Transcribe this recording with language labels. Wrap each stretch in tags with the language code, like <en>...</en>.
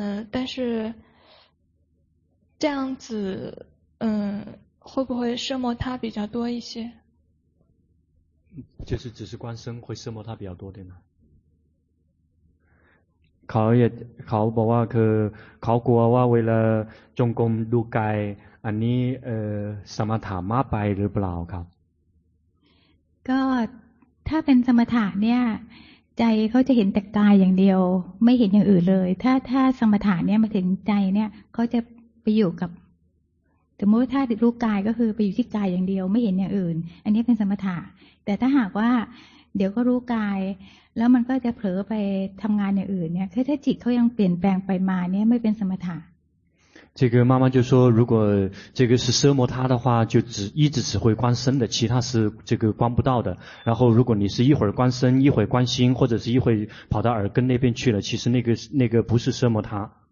<zh>但是这样子会不会奢摩他比较多一些？就是只是观身会奢摩他比较多，对吗？</zh> <th>เขาบอกว่าคือเขากลัวว่าเวลาจงกรมดูกายอันนี้สมถะมากไปหรือเปล่าครับ ก็ถ้าเป็นสมถะเนี่ยใจเขาจะเห็นแต่กายอย่างเดียวไม่เห็นอย่างอื่นเลยถ้าสมถะเนี่ยมาถึงใจเนี่ยเขาจะไปอยู่กับสมมติถ้ารู้กายก็คือไปอยู่ที่กายอย่างเดียวไม่เห็นอย่างอื่นอันนี้เป็นสมถะแต่ถ้าหากว่าเดี๋ยวก็รู้กายแล้วมันก็จะเผลอไปทำงานอย่างอื่นเนี่ยคือถ้าจิตเขายังเปลี่ยนแปลงไปมาเนี่ยไม่เป็นสมถะ</th> <zh>这个妈妈就说，如果这个是奢摩他的话，就一直只会观身的，其他是这个观不到的。然后，如果你是一会儿观身，一会儿观心，或者是一会儿跑到耳根那边去了，其实那个不是奢摩他。</zh>